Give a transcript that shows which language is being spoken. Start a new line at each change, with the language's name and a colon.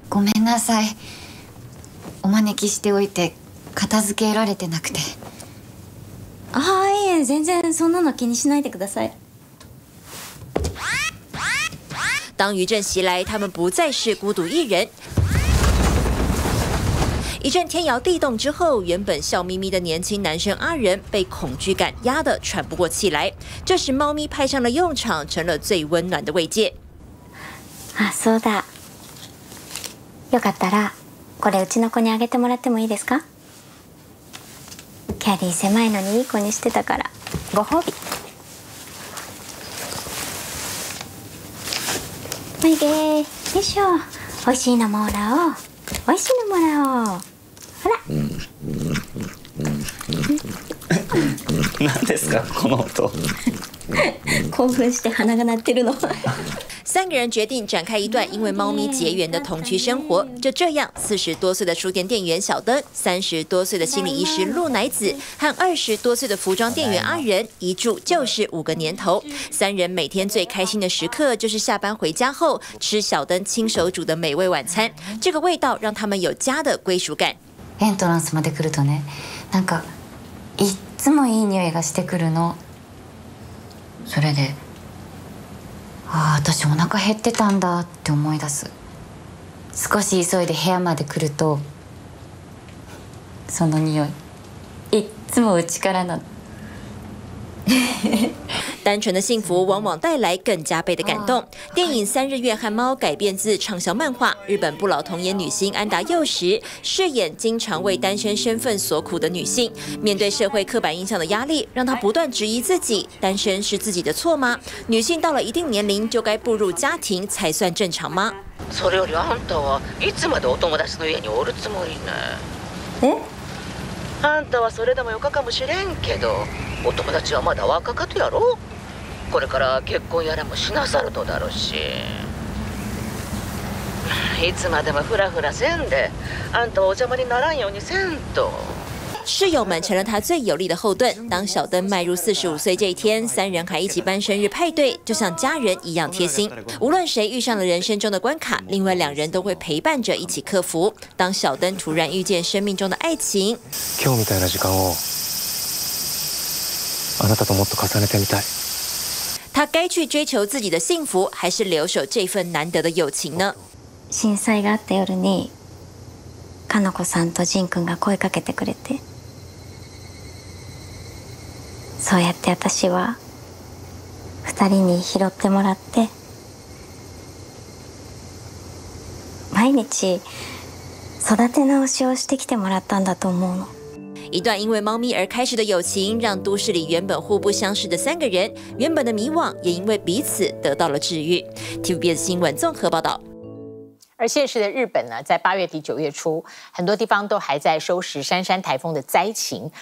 Japanese: ごめんなさい。お招きしておいて片付けられてなくて。ああ、いいえ、全然そんなの気にしないでください。
Chinese: 当余震袭来，他们不再是孤独一人。一阵天摇地动之后，原本笑眯眯的年轻男生阿仁被恐惧感压得喘不过气来。这时，猫咪派上了用场，成了最温暖的慰藉。
Japanese: あ、そうだ。よかったら、これうちの子にあげてもらってもいいですか？キャリー狭いのにいい子にしてたから、ご褒美。おいで。よいしょ。おいしいのもらおう。おいしいのもらおう。何ですかこの音興奮して鼻が鳴ってるの
Chinese: 三个人决定展开一段因为猫咪结缘的同居生活就这样四十多岁的书店店员小灯三十多岁的心理医师陆乃子和二十多岁的服装店员阿仁一住就是五个年头三人每天最开心的时刻就是下班回家后吃小灯亲手煮的美味晚餐这个味道让他们有家的归属感
Japanese: エントランスまで来るとね、なんかいっつもいい匂いがしてくるの。それで、ああ、私お腹減ってたんだって思い出す。少し急いで部屋まで来ると、その匂い、いっつもうちからなの。
Chinese: 单纯的幸福往往带来更加倍的感动。电影《三日月和猫》改编自畅销漫画，日本不老童颜女星安达佑实饰演经常为单身身份所苦的女性。面对社会刻板印象的压力，让她不断质疑自己：单身是自己的错吗？女性到了一定年龄就该步入家庭才算正常吗？
Japanese: それよりあんたはいつまでお友達の家におるつもりね？あんたはそれでもよかかもしれんけど、お友達はまだ若かとやろ？これから結婚やらもしなさるとだろうし、いつまでもフラフラせんで、あんたお邪魔にならんようにせんと。
Chinese: 室友们成了他最有力的后盾。当小灯迈入四十五岁这一天，三人还一起办生日派对，就像家人一样贴心。无论谁遇上了人生中的关卡，另外两人都会陪伴着一起克服。当小灯突然遇见生命中的爱情，
Japanese: 今日みたいな時間をあなたともっと重ねてみたい。
Chinese: 他该去追求自己的幸福，还是留守这份难得的友情呢？
Japanese: 震災があった夜に、かのこさんとじんくんが声かけてくれて、そうやって私は二人に拾ってもらって、毎日育て直しをしてきてもらったんだと思うの。
Chinese: 一段因为猫咪而开始的友情，让都市里原本互不相识的三个人，原本的迷惘也因为彼此得到了治愈。 TVBS 新闻综合报道。而现实的日本呢，在八月底九月初，很多地方都还在收拾杉杉台风的灾情。